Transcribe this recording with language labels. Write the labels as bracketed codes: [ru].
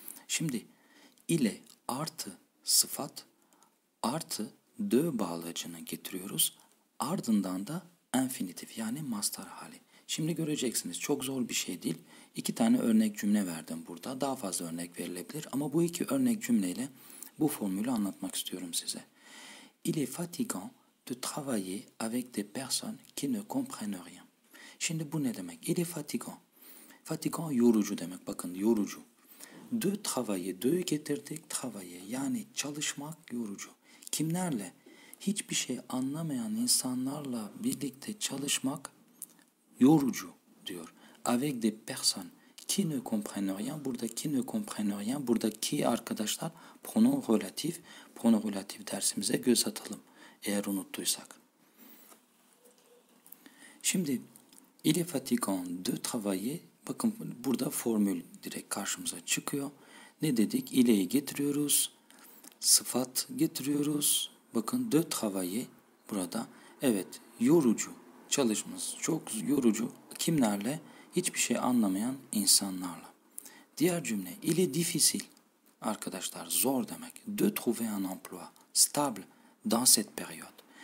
[tr] Şimdi ile artı sıfat artı de bağlacını getiriyoruz. Ardından da infinitif, yani mastar hali. Şimdi göreceksiniz, çok zor bir şey değil. İki tane örnek cümle verdim burada. Daha fazla örnek verilebilir ama bu iki örnek cümleyle bu formülü anlatmak istiyorum size. [fr] Il est fatigant de travailler avec des personnes qui ne comprennent rien. [tr] Şimdi bu ne demek? [fr] Il est fatigant. [tr] Fatigant yorucu demek. Bakın, yorucu. [fr] De travailler, [tr] de'yi getirdik. Travailler yani çalışmak, yorucu. Kimlerle? Hiçbir şey anlamayan insanlarla birlikte çalışmak yorucu diyor. [fr] Avec des personnes qui ne comprennent rien. [tr] Buradaki [fr] ne comprennent rien. [tr] Buradaki arkadaşlar pronom relatif. Pronom relatif dersimize göz atalım. Eğer unuttuysak. Şimdi, [fr] il est fatigant de travailler. [tr] Bakın burada formül direkt karşımıza çıkıyor. Ne dedik? Il'i getiriyoruz. Sıfat getiriyoruz. Bakın [fr] de travailler [tr] burada. Evet, yorucu. Çalışması çok yorucu. Kimlerle? Hiçbir şey anlamayan insanlarla. Diğer cümle. [fr] Il est difficile. [tr] Arkadaşlar zor demek. [fr] De trouver un emploi stable dans cette période.